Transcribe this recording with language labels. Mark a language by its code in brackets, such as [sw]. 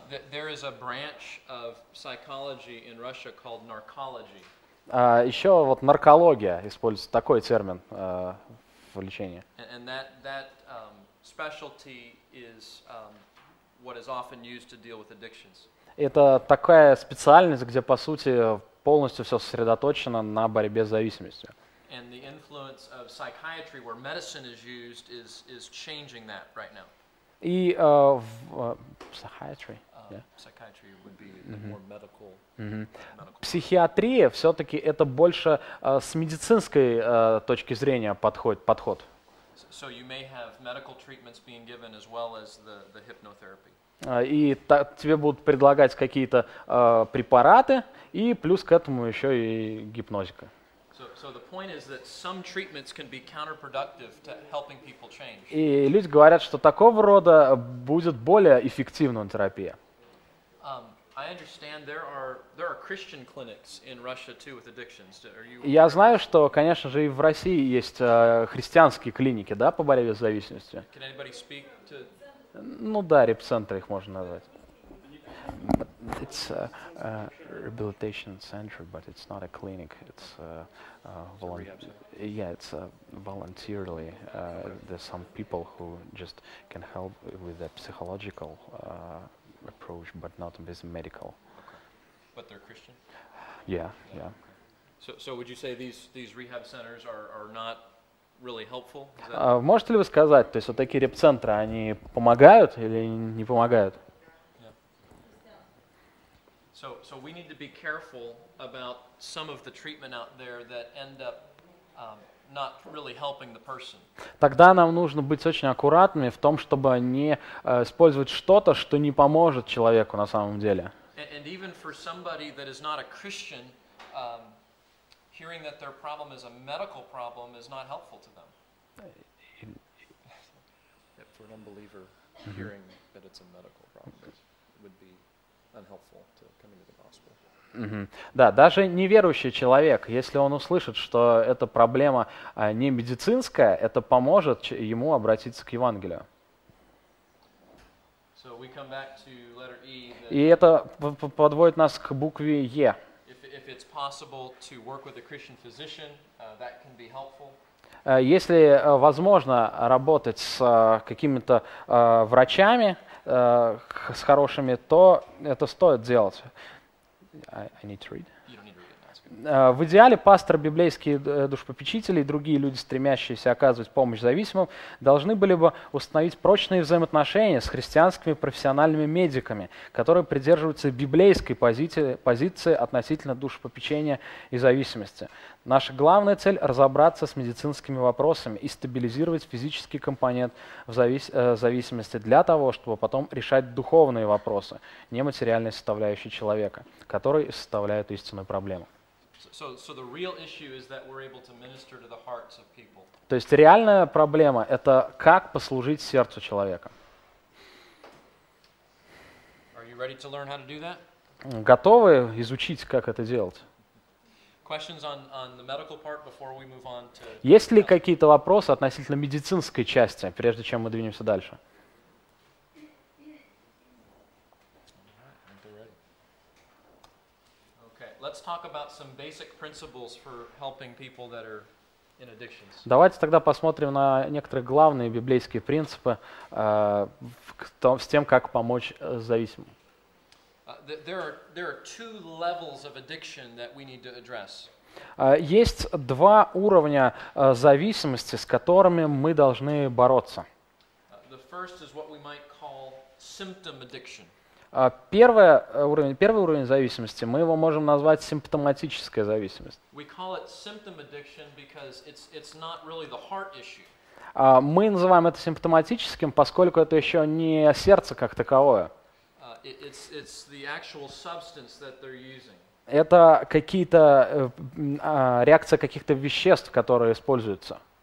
[en] There is a branch of psychology in Russia called narcology. [ru] Еще вот наркология используется такой термин в лечении. [en] And that specialty is what is often used to deal with addictions. [ru] Это такая специальность, где по сути полностью все сосредоточено на борьбе с зависимостью. [en] And the influence of psychiatry where medicine is used is changing that right now. [ru] И психиатрия. [en] Psychiatry would be mm-hmm. more medical. Mm-hmm. medical. [ru] Психиатрия все-таки это больше с медицинской точки зрения подход. [en] So you may have medical treatments being given as well as the hypnotherapy. [ru] И тебе будут предлагать какие-то препараты и плюс к этому еще и гипнозика. [en] So the point is that some treatments can be counterproductive to helping people change. [ru] И люди говорят, что такого рода будет более эффективна терапия. [en] I understand there are Christian clinics in Russia too with addictions. Are you? [ru] Я знаю, что, конечно же, и в России есть христианские клиники, да, по борьбе с зависимостью. [en] Can anybody speak to? [ru] Ну да, реп-центр их можно назвать. [en] It's a rehabilitation center, but it's not a clinic. It's voluntarily. There's some people who just can help with the psychological. Approach, but not this medical. Okay. But they're Christian. Yeah. So would you say these rehab centers are not really helpful? [ru] Можете ли вы сказать, то есть вот такие реп-центры, они помогают или не помогают? [en] Yeah. So we need to be careful about some of the treatment out there that end up. Not really helping the person. [ru] Тогда нам нужно быть очень аккуратными в том, чтобы не использовать что-то, что не поможет человеку на самом деле. [en] And even for somebody that is not a Christian, hearing that their problem is a medical problem is not helpful to them. For an unbeliever, hearing that it's a medical problem would be unhelpful to coming to the gospel. [ru] Да, даже неверующий человек, если он услышит, что эта проблема не медицинская, это поможет ему обратиться к Евангелию. [en] So we come back to letter E, that [ru] и это подводит нас к букве Е. [en] If it's possible to work with a Christian physician, that can be helpful. [ru] Если возможно работать с какими-то врачами, с хорошими, то это стоит делать. [en] I need to read. [ru] В идеале пастор, библейские душепопечители и другие люди, стремящиеся оказывать помощь зависимым, должны были бы установить прочные взаимоотношения с христианскими профессиональными медиками, которые придерживаются библейской позиции относительно душепопечения и зависимости. Наша главная цель – разобраться с медицинскими вопросами и стабилизировать физический компонент зависимости для того, чтобы потом решать духовные вопросы, нематериальные составляющие человека, которые составляют истинную проблему. [en] So the real issue is that we're able to minister to the hearts of people. [ru] То есть реальная проблема – это как послужить сердцу человека. [en] Are you ready to learn how to do that? [ru] Готовы изучить, как это делать? [en] Questions on the medical part before we move on to. [ru] Есть ли какие-то вопросы относительно медицинской части, прежде чем мы двинемся дальше? [en] Let's talk about some basic principles for helping people that are in addictions. [ru] Давайте тогда посмотрим на некоторые главные библейские принципы с тем, как помочь зависимым. [en] There are two levels of addiction that we need to address. [ru] Есть два уровня зависимости, с которыми мы должны бороться. [en] The first is what we might call symptom addiction. [ru] Первый уровень зависимости мы его можем назвать симптоматическая зависимость. [en] We call it symptom addiction because it's not really the heart issue. [ru] Мы называем это симптоматическим, поскольку это еще не сердце как таковое. [en] It's the actual substance that they're using. [ru] Это какие-то реакция каких-то веществ, которые используются.